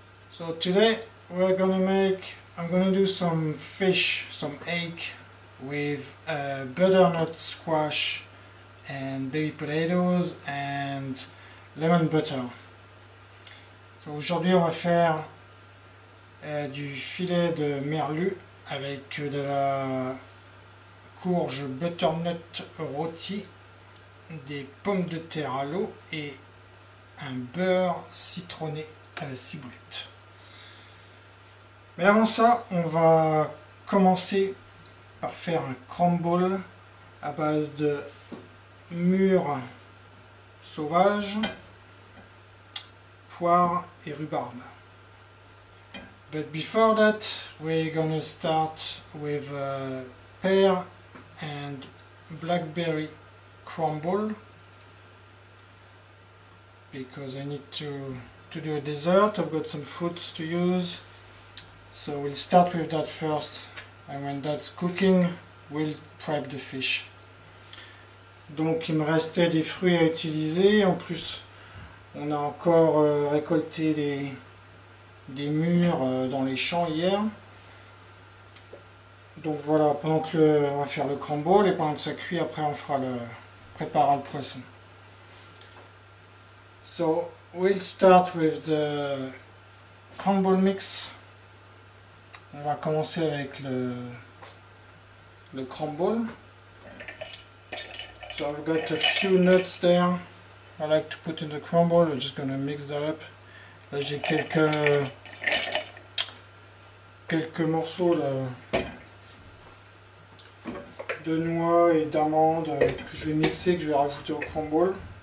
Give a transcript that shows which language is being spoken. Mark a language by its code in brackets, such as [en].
[en] So today we're gonna make, I'm gonna do some fish, some hake with butternut squash and baby potatoes and lemon butter. [fr] So aujourd'hui on va faire du filet de merlu avec de la courge butternut rôti, des pommes de terre à l'eau et un beurre citronné à la ciboulette. Mais avant ça, on va commencer par faire un crumble à base de mûres sauvages, poire et rhubarbe. [en] But before that, we're gonna start with pear and blackberry crumble, because I need to do a dessert. I've got some fruits to use, so we'll start with that first, and when that's cooking we'll prep the fish. [fr] Donc il me restait des fruits à utiliser, en plus on a encore récolté des mûres dans les champs hier. Donc voilà, pendant que on va faire le crumble et pendant que ça cuit, après on fera le prépare le poisson. [en] So we'll start with the crumble mix. [fr] On va commencer avec le crumble. [en] So I've got a few nuts there I like to put in the crumble. I'm just gonna mix that up. [fr] Là j'ai quelques morceaux là, de noix et d'amandes que je vais mixer, que je vais rajouter au crumble.